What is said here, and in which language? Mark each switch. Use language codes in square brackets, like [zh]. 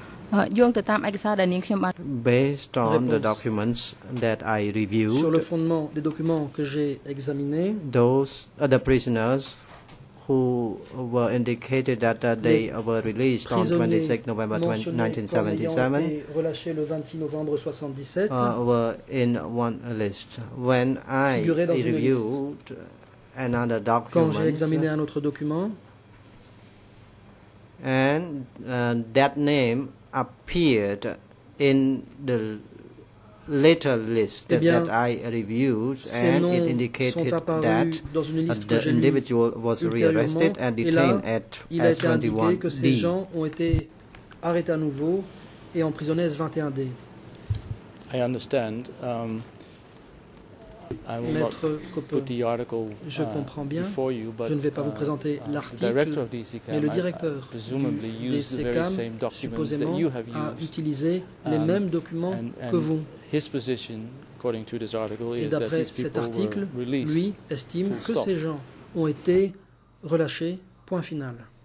[en] Uh, Based on the documents that I reviewed, [fr] sur le fondement des documents que j'ai examinés, [en] the prisoners who were indicated that they were released on 26 November 1977 were in one list. When I reviewed another document, [fr] quand j'ai examiné un autre document, [en] and that name appeared in the later list that I reviewed, and it indicated that the individual was rearrested and detained at S21D. [fr] Il a indiqué que ces gens ont été arrêtés à nouveau et emprisonnés S21D. [en] I understand. I will not put the article before you, but [fr] je ne vais pas vous présenter l'article, mais le directeur du DCCAM supposément a utilisé les mêmes documents que vous. [en] His position, according to this article, [fr] et d'après cet article, lui estime que ces gens ont été relâchés, point final.